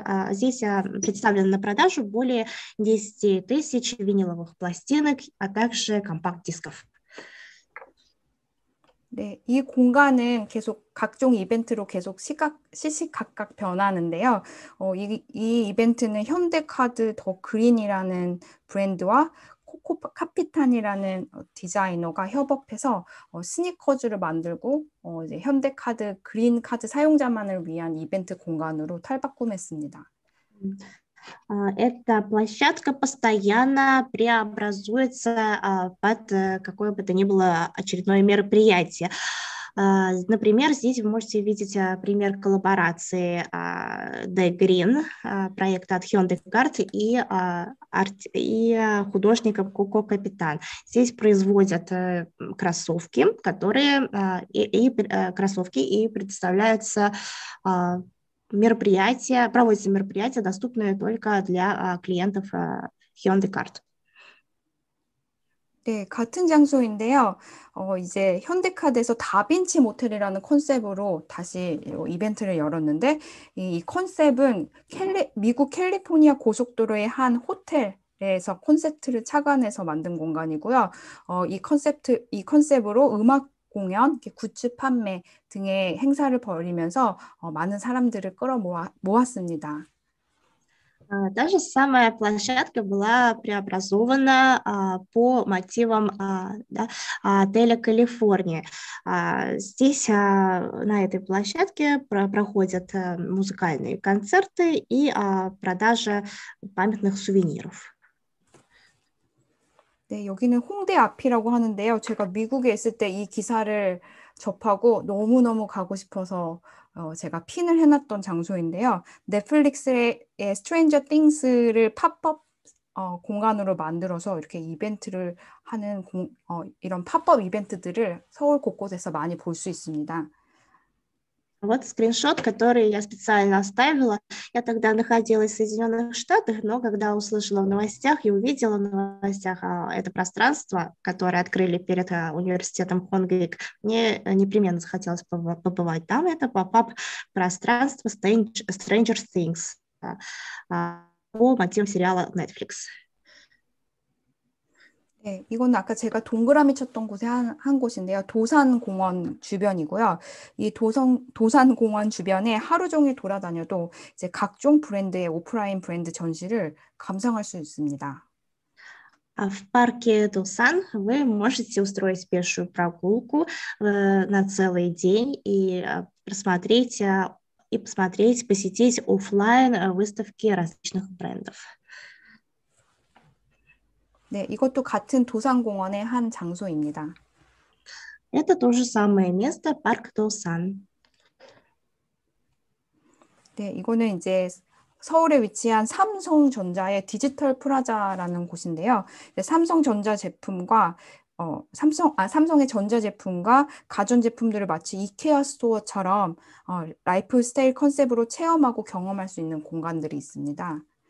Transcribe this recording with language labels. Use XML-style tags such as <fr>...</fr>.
<ru>Здесь представлено на продажу более 10 тысяч виниловых пластинок, а также компакт-дисков.</ru> <ko>네, 이 공간은 계속 각종 이벤트로 계속 시시각각 변하는데요. 이 이벤트는 현대카드 더 그린이라는 브랜드와 코코 카피탄이라는 디자이너가 협업해서 스니커즈를 만들고 이제 현대카드 그린 카드 사용자만을 위한 이벤트 공간으로 탈바꿈했습니다.</ko> <ru>Эта площадка постоянно преобразуется под какое бы то ни было очередное мероприятие. Например, здесь вы можете видеть пример коллаборации The Green, проекта от Hyundai Card и художника Coco Capitan. Здесь производят кроссовки и предоставляются мероприятия, проводятся мероприятия, доступные только для клиентов Hyundai Card.</ru> <ko>네, 같은 장소인데요. 이제 현대카드에서 다빈치 모텔이라는 컨셉으로 다시 이벤트를 열었는데 이 컨셉은 미국 캘리포니아 고속도로의 한 호텔 에서 콘셉트를 착안해서 만든 공간이고요. 이 컨셉으로 음악 공연, 굿즈 판매 등의 행사를 벌이면서 많은 사람들을 끌어모았습니다.</ko> <ru>Та же самая площадка была преобразована по мотивам отеля «Калифорния». Здесь, на этой площадке, проходят музыкальные концерты и продажа памятных сувениров.</ru> <ko>네, 여기는 홍대 앞이라고 하는데요. 제가 미국에 있을 때이 기사를 접하고 너무너무 가고 싶어서 제가 핀을 해놨던 장소인데요. 넷플릭스의 Stranger Things를 팝업 공간으로 만들어서 이렇게 이벤트를 하는 이런 팝업 이벤트들을 서울 곳곳에서 많이 볼 수 있습니다.</ko> <ru>Вот скриншот, который я специально оставила. Я тогда находилась в Соединенных Штатах, но когда услышала в новостях и увидела в новостях это пространство, которое открыли перед университетом Хонгвик, мне непременно захотелось побывать там. Это поп-ап пространство Stranger Things по мотивам сериала Netflix.</ru> <ko>네, 이건 아까 제가 동그라미 쳤던 곳의 한 곳인데요. 도산공원 주변이고요. 이 도산공원 주변에 하루 종일 돌아다녀도 이제 각종 브랜드의 오프라인 브랜드 전시를 감상할 수 있습니다.</ko> <ru>В парке Досан вы можете устроить пешую прогулку на целый день и посетить офлайн выставки различных брендов.</ru> <ko>네, 이것도 같은 도산공원의 한 장소입니다.</ko> <ru>Это то же самое место, парк Досан.</ru> <ko>네, 이거는 이제 서울에 위치한 삼성전자의 디지털 프라자라는 곳인데요. 삼성전자 제품과 삼성의 전자 제품과 가전 제품들을 마치 이케아 스토어처럼 라이프스타일 컨셉으로 체험하고 경험할 수 있는 공간들이 있습니다.</ko>